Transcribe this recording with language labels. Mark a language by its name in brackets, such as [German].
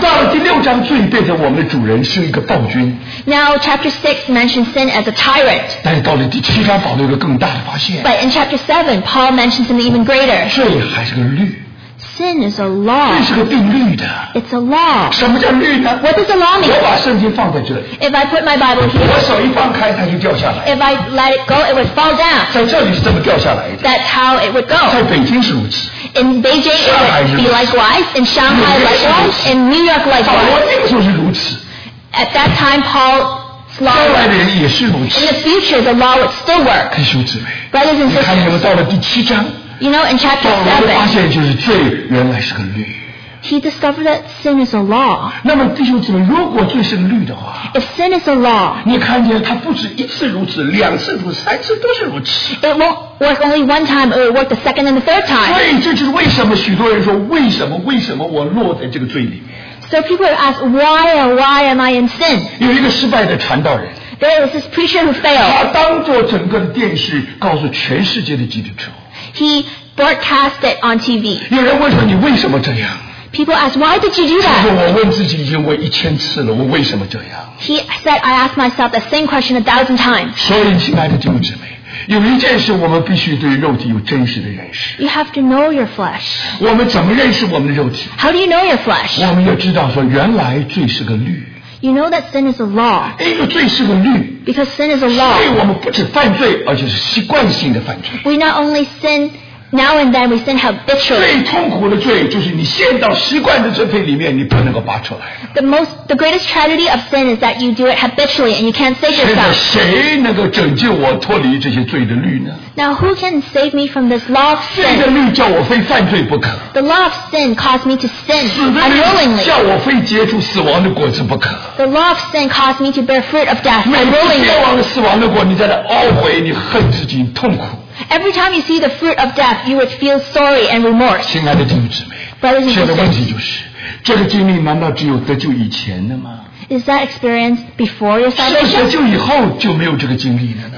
[Chinese] 到了第六章, 罪变成我们的主人, 是一个暴君, [English] now chapter 6 mentions sin as a tyrant. [Chinese] 但到了第七章, 保留一个更大的发现, [English] but in chapter 7 Paul mentions something even greater. [Chinese] 罪还是个律, [English] sin is a law. [Chinese] 罪是个定律的, [English] it's a law. [Chinese] 什么叫律呢? [English] What does the law mean? [Chinese] 我把圣经放在这里, [English] if I put my Bible here, [Chinese] 我手一放开, 它就掉下来, [English] if I let it go, it would fall down. [Chinese] 在这里是这么掉下来的, [English] that's how it would go. [Chinese] 在北京是如此, [English] in Beijing it would be likewise, in Shanghai likewise, in New York likewise. At that time Paul's law would, in the future the law would still work. [Chinese] 弟兄姊妹, [English] brothers and sisters, [Chinese] 你看你们到了第七章, [English] you know in chapter 7 he discovered that sin is a law. [Chinese] 那么弟兄姊妹, [English] if sin is a law, [Chinese] 你看见他不止一次如此, 两次如此, [English] it won't work only one time, it will work the second and the third time. [Chinese] 所以这就是为什么许多人说, 为什么, 为什么我落在这个罪里面? [English] So people ask, why am I in sin? [Chinese] 有一个失败的传道人, [English] there is this preacher who failed. [Chinese] 他当作整个的电视告诉全世界的基督徒, [English] he broadcast it on TV. [Chinese] 有人问说你为什么这样? [English] People ask, why did you do that? [Chinese] 他说我问自己已经问一千次了, [English] he said, I asked myself the same question 1,000 times. [Chinese] 所以亲爱的弟兄姊妹, 有一件事我们必须对肉体有真实的认识。 [English] You have to know your flesh. [Chinese] 我们怎么认识我们的肉体？ [English] How do you know your flesh? [Chinese] 我们要知道说原来罪是个律。 [English] You know that sin is a law. [Chinese] 因为罪是个律。 [English] Because sin is a law. [Chinese] 所以我们不止犯罪，而且是习惯性的犯罪。 [English] We not only sin now and then, we sin habitually. [Chinese] 最痛苦的罪就是你陷到习惯的罪辈里面，你不能够拔出来。 [English] The greatest tragedy of sin is that you do it habitually and you can't save yourself. [Chinese] 现在谁能够拯救我脱离这些罪的律呢？ [English] Now who can save me from this law of sin? [Chinese] 罪的律叫我非犯罪不可。 [English] The law of sin caused me to sin unwillingly. [Chinese] 死的律叫我非结出死亡的果子不可。 [English] The law of sin caused me to bear fruit of death unwillingly. [Chinese] 每次结完了死亡的果，你在那懊悔，你恨自己，痛苦。 [English] Every time you see the fruit of death, you would feel sorry and remorse. [Chinese] 亲爱的弟兄姊妹，现在问题就是，这个经历难道只有得救以前的吗？ [English] Is that experience before your salvation? [Chinese] 是不是得救以后就没有这个经历了呢？